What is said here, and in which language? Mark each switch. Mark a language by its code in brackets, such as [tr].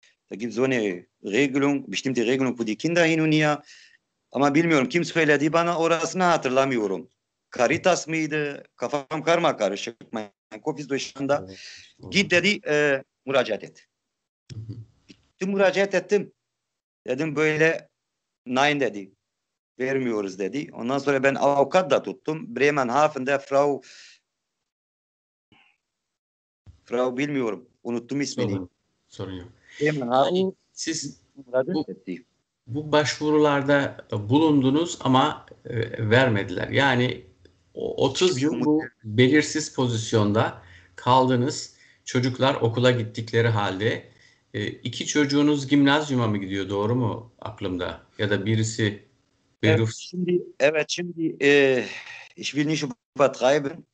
[de] Da gibt so eine Regelung, bestimmte Regelung für die Kinder hin und her. [tr] Ama bilmiyorum kim söyledi bana, orasını hatırlamıyorum. Caritas mıydı? Kafam karma karışık. Kofis dışında. Git dedi müracaat et. Gittim müracaat ettim. Dedim böyle nein dedi. Vermiyoruz dedi. Ondan sonra ben avukat da tuttum. Bremenhaven'de Frau bilmiyorum. Unuttum ismini. Sorun yok. Bremenhaven. Siz bu başvurularda bulundunuz ama vermediler. Yani 30 yıl bu belirsiz pozisyonda kaldınız. Çocuklar okula gittikleri halde. İki çocuğunuz gimnazyuma mı gidiyor, doğru mu aklımda? Ya da birisi [de] Beruf. [tr] Evet, şimdi [de] ich will nicht übertreiben.